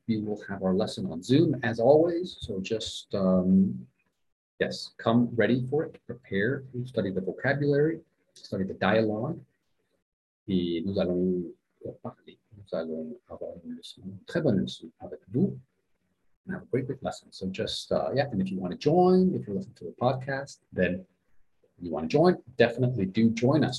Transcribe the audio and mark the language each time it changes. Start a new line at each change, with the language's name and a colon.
English: We will have our lesson on Zoom, as always. So just... yes, come ready for it, prepare, study the vocabulary, study the dialogue.
French: Et nous allons parler, nous allons avoir une leçon, une très bonne leçon avec vous.
English: And have a great, great lesson. So just, yeah, and if you want to join, if you're listening to the podcast, then you want to join, definitely do join us.